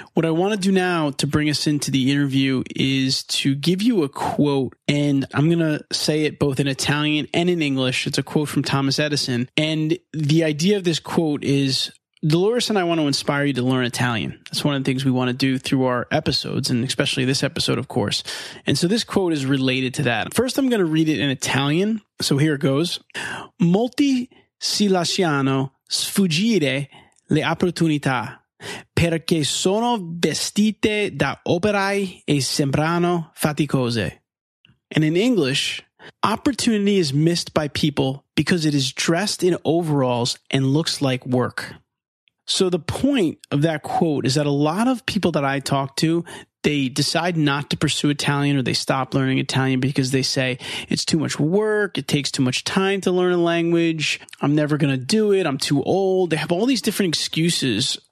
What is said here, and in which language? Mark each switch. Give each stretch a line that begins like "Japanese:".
English: What I want to do now to bring us into the interview is to give you a quote, and I'm going to say it both in Italian and in English. It's a quote from Thomas Edison. And the idea of this quote is, Dolores and I want to inspire you to learn Italian. That's one of the things we want to do through our episodes, and especially this episode, of course. And so this quote is related to that. First, I'm going to read it in Italian. So here it goes.
Italian: Molti si lasciano sfuggire le opportunità perché sono vestite da operai e sembrano faticose.
English: And in English, opportunity is missed by people because it is dressed in overalls and looks like work. So the point of that quote is that a lot of people that I talk to, they decide not to pursue Italian, or they stop learning Italian because they say it's too much work, it takes too much time to learn a language, I'm never going to do it, I'm too old. They have all these different excuses